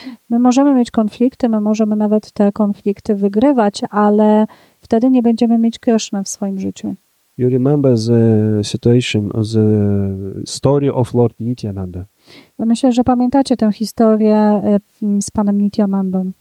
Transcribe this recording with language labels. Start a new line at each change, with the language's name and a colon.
Polish: My możemy mieć konflikty, my możemy nawet te konflikty wygrywać, ale wtedy nie będziemy mieć Krishna w swoim życiu.
English: You remember the situation, the story of Lord Nityananda.
Polish: Myślę, że pamiętacie tę historię z panem Nityanandem.